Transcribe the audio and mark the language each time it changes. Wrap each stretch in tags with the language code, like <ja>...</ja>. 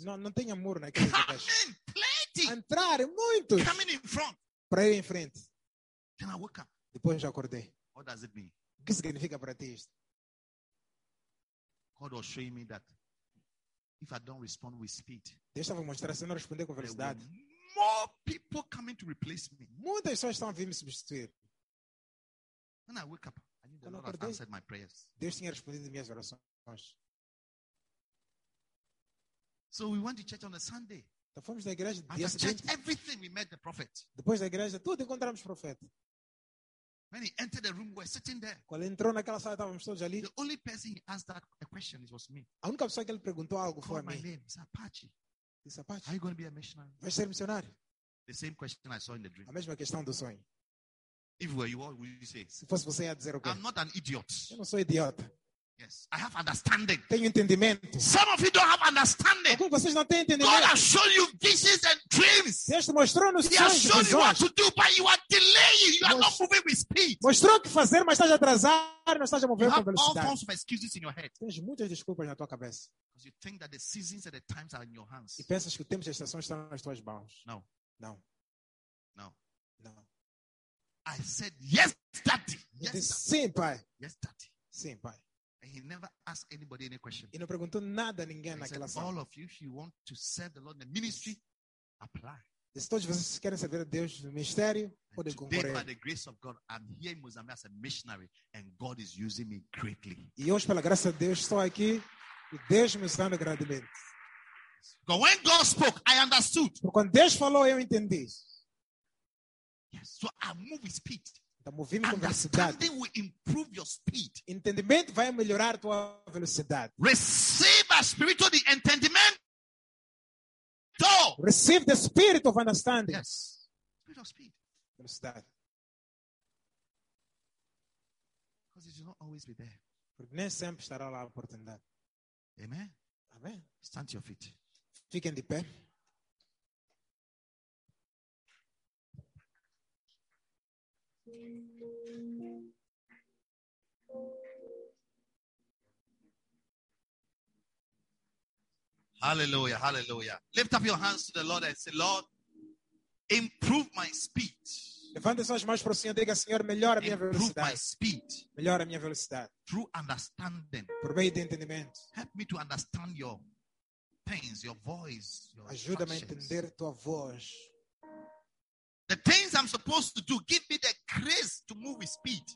<pt>Não tinha muro naquele lugar.</pt> <en>Coming, plenty.</en> <pt>Entraram muitos.</pt> <en>Coming in front.</en> <pt>Para ir em frente.</pt> <en>Then I woke up.</en> <pt>Depois eu acordei.</pt> <en>What does it mean?</en> <pt>O que significa para ti isto?</pt> <en>God was showing me that if I don't respond with speed,</en> <pt>deixa eu mostrar, se eu não responder com velocidade,</pt> <en>more people coming to replace me.</en> <pt>Muitas pessoas estão a vir me substituir.</pt> <en>When I woke up, I knew the Lord had answered my prayers.</en> <pt>Deus tinha respondido minhas orações.</pt> <en>So we went to church on a Sunday.</en> <pt>Então fomos na igreja.</pt> <en>At the church, everything we met the prophet.</en> <pt>Depois da igreja, tudo encontramos o profeta.</pt> <en>When he entered the room, we were sitting there.</en> <pt>Quando ele entrou naquela sala, estávamos todos ali.</pt> <en>The only person he asked that a question was me.</en> <pt>A única pessoa que ele perguntou algo foi a mim.</pt> <en>My name is Apache. Is Apache. Are you going to be a missionary?</en> <pt>Vai ser missionário?</pt> <en>The same question I saw in the dream.</en> <pt>A mesma questão do sonho.</pt> <en>If were you, what would you say?</en> <pt>Se fosse você, ia dizer o quê?</pt> <en>I'm not an idiot.</en> <pt>Eu não sou idiota.</pt> <en>Yes, I have understanding.</en> <pt>Tenho entendimento.</pt> <en>Some of you don't have understanding.</en> <pt>Alguns vocês não têm entendimento.</pt> <en>God has shown you visions and dreams.</en> <pt>Deus te mostrou nos sonhos.</pt> <en>He has shown you what to do, but you are delaying. You are not moving with speed.</en> <pt>Mostrou o que fazer, mas estás atrasado, não estás a mover com velocidade.</pt> <en>You have all kinds of excuses in your head.</en> <pt>Tens muitas desculpas na tua cabeça.</pt> <en>Because you think that the seasons and the times are in your hands.</en> <pt>E pensas que o tempo e as estações estão nas tuas mãos.</pt> <en>No. No. No. No. I said yes, Daddy. Yes, Daddy.</en> <pt>Sim, pai.</pt> <en>Yes, Daddy.</en> <pt>Sim, pai.</pt> <en>He never asked anybody any question.</en> <pt>Ele não perguntou nada a ninguém naquela sala.</pt> <en>All of you, if you want to serve the Lord in the ministry, apply.</en> <pt>Todos vocês querem servir a Deus no ministério, podem concorrer.</pt> <en>Today, by the grace of God, I'm here in Mozambique as a missionary, and God is using me greatly.</en> <pt>E hoje, pela graça de Deus, estou aqui e Deus me usando grandemente.</pt> <en>But when God spoke, I understood.</en> <pt>Porque quando Deus falou, eu entendi.</pt> <en>Yes, so I move with speed.</en> <pt>Então, movimento com velocidade.</pt> <en>Understanding will improve your speed.</en> <pt>Entendimento vai melhorar a tua velocidade.</pt> <en>Receive a spiritual</en> <pt>entendimento.</pt> <en>So, receive the spirit of understanding. Yes. Spirit of speed.</en> <pt>Velocidade.</pt> <en>Because it will not always be there.</en> <pt>Porque nem sempre estará lá a oportunidade.</pt> <en>Amen. Amen. Stand to your feet.</en> <pt>Fiquem de pé.</pt> <en>Hallelujah, hallelujah. Lift up your hands to the Lord and say, Lord, improve my speed.</en> <pt>Levante suas mãos para o Senhor e diga, Senhor, melhora a minha velocidade.</pt> <en>Improve my speed.</en> <pt>Melhora a minha velocidade.</pt> <en>Through understanding.</en> <pt>Por meio de entendimento.</pt> <en>Help me to understand your things, your voice, your actions.</en> <pt>Ajuda-me a entender tua voz.</pt> <en>The things I'm supposed to do, give me the grace to move with speed.</en>